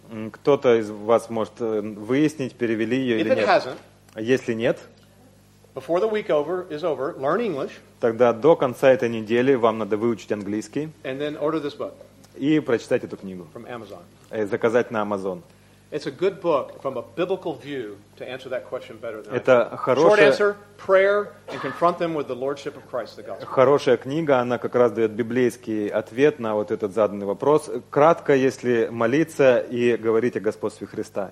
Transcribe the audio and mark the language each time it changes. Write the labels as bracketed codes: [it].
[ru] Кто-то из вас может выяснить, перевели ее или нет. Если нет, тогда до конца этой недели вам надо выучить английский и прочитать эту книгу. Заказать на Amazon. [en] It's a good book from a biblical view to answer that question better than I can. [ru] Хорошая... [en] Short answer: prayer and confront them with the lordship of Christ, the gospel. [ru] Хорошая книга, она как раз дает библейский ответ на вот этот заданный вопрос. Кратко, если молиться и говорить о господстве Христа.